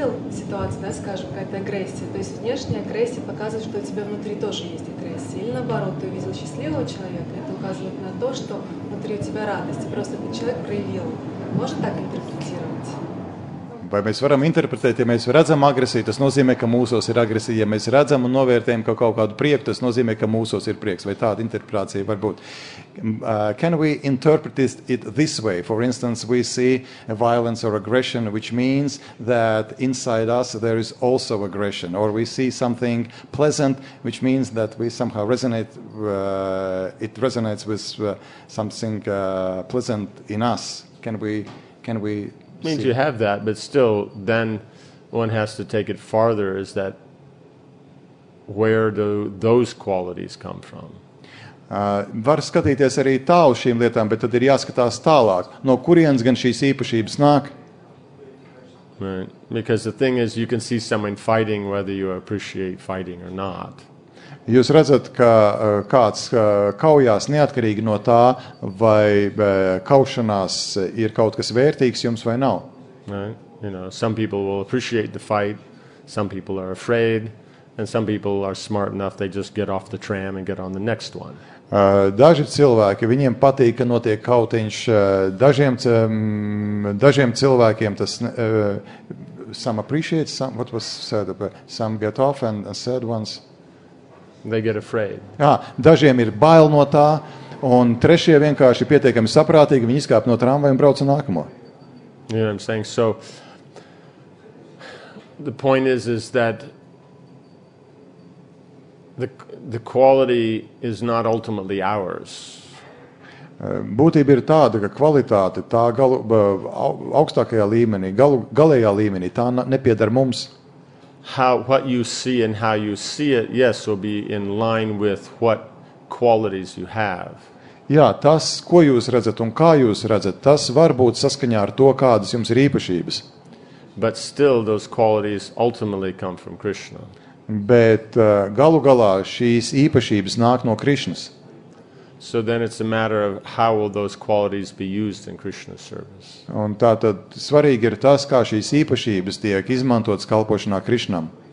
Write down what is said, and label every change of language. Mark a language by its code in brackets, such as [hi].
[ru] Ситуация, да, скажем, какая-то агрессия. То есть внешняя агрессия показывает, что у тебя внутри тоже есть агрессия. Или наоборот, ты увидел счастливого человека, это указывает на то, что внутри у тебя радость. Просто этот человек проявил. Можно так интерпретировать? [lv] Vai mēs varam interpretēt, ja mēs redzam agresiju, tas nozīmē, ka mūsos ir agresija. Ja mēs redzam un novērtējam kaut kādu prieku, tas nozīmē, ka mūsos ir prieks. Vai tāda interpretācija var būt? [en] Can we interpret it this way? For instance, we see a violence or aggression, which means that inside us there is also aggression. Or we see something pleasant, which means that we somehow resonate, it resonates with something pleasant in us. Can we means you have that, but still, then one has to take it farther, is that where do those qualities come from? [lv] Var skatīties arī tā uz šīm lietām, bet tad ir jāskatās tālāk. No kurienes gan šīs īpašības nāk? [en] Right. Because the thing is, you can see someone fighting whether you appreciate fighting or not. [lv] Jūs redzat, ka kāds kaujās neatkarīgi no tā, vai kaušanās ir kaut kas vērtīgs jums vai nav. [en] Right. You know, some people will appreciate the fight, some people are afraid, and some people are smart enough, they just get off the tram and get on the next one. [lv] Daži cilvēki, viņiem patīk, ka notiek kautiņš, dažiem cilvēkiem tas... [en] some appreciate, some, what was said, some get off and said ones... They get afraid. [lv] Jā, dažiem ir bail no tā, un trešie vienkārši pietiekami saprātīgi, viņi izkāp no tramvaja un brauc nākamo. [en] You know what I'm saying? So, the point is that the quality is not ultimately ours. [lv] Būtība ir tāda, ka kvalitāte tā augstākajā līmenī, galējā līmenī, tā nepieder mums. [en] What you see and how you see it, yes, will be in line with what qualities you have. [lv] Jā, tas, ko jūs redzat un kā jūs redzat, tas var būt saskaņā ar to, kādas jums ir īpašības. [en] But still those qualities ultimately come from Krishna. [lv] Bet galu galā šīs īpašības nāk no Krishnas. [en] So then it's a matter of how will those qualities be used in Krishna's service. [lv] Un tātad svarīgi ir tas, kā šīs īpašības tiek izmantotas kalpošanā Krishnam.